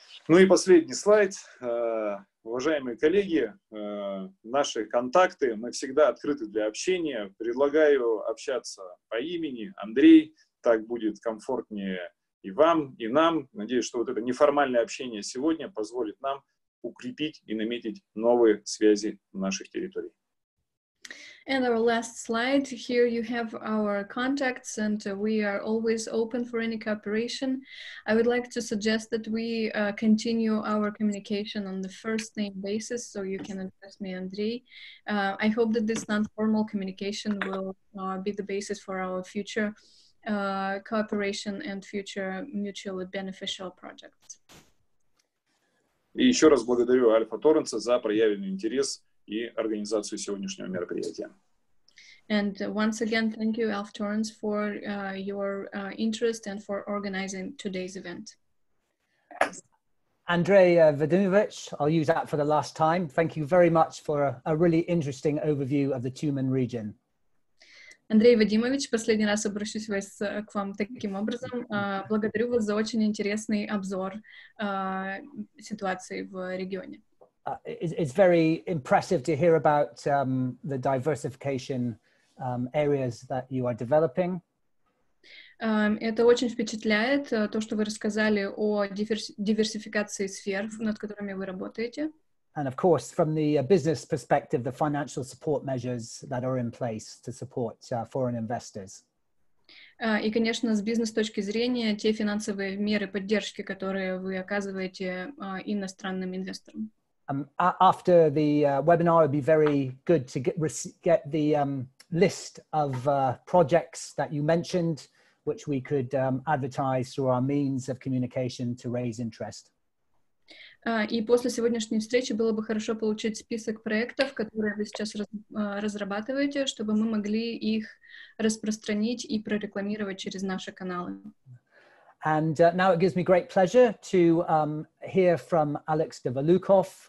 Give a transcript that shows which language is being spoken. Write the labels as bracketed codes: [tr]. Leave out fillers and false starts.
[ru] Ну и последний слайд. Уважаемые коллеги, наши контакты, мы всегда открыты для общения. Предлагаю общаться по имени Андрей, так будет комфортнее и вам, и нам. Надеюсь, что вот это неформальное общение сегодня позволит нам укрепить и наметить новые связи наших территорий. [en] And our last slide, here you have our contacts, and we are always open for any cooperation. I would like to suggest that we continue our communication on the first name basis, so you can address me, Andrei. I hope that this non-formal communication will be the basis for our future cooperation and future mutually beneficial projects. [ru] И еще раз благодарю Альфа Торренса за проявленный интерес и организацию сегодняшнего мероприятия. [en] And once again, thank you, Alf Torrens, for your interest and for organizing today's event. Andrei Vadimovich, I'll use that for the last time. Thank you very much for a really interesting overview of the Tumen region. [ru] Андрей Вадимович, последний раз обращусь к вам таким образом. Благодарю вас за очень интересный обзор ситуации в регионе. [en] It's very impressive to hear about the diversification areas that you are developing. [ru] Это очень впечатляет то, что вы рассказали о диверсификации сфер, над которыми вы работаете. [en] And of course, from the business perspective, the financial support measures that are in place to support foreign investors. [ru] И, конечно, с бизнес-точки зрения, те финансовые меры поддержки, которые вы оказываете иностранным инвесторам. [en] After the webinar, it would be very good to get the list of projects that you mentioned, which we could advertise through our means of communication to raise interest. [ru] И после сегодняшней встречи было бы хорошо получить список проектов, которые вы сейчас разрабатываете, чтобы мы могли их распространить и прорекламировать через наши каналы. [en] And now it gives me great pleasure to hear from Alex Devolukhov.